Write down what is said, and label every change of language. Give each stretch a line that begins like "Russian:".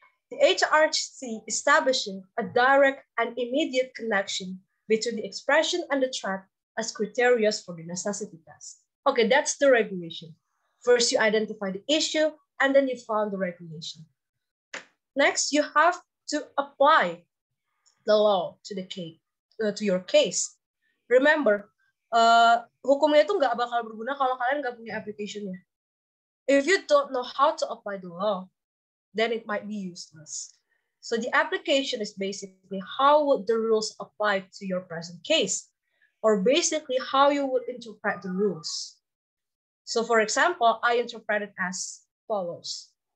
English: The HRC establishing a direct and immediate connection between the expression and the threat as criteria for the necessity test. Okay, that's the regulation. First, you identify the issue, and then you found the regulation. Next, you have to apply the law to the case, to your case.
Indonesian: Remember, hukumnya itu nggak bakal berguna kalau kalian nggak punya application-nya.
English: If you don't know how to apply the law, then it might be useless. So the application is basically how would the rules apply to your present case, or basically how you would interpret the rules. So for example, I interpret it as follows.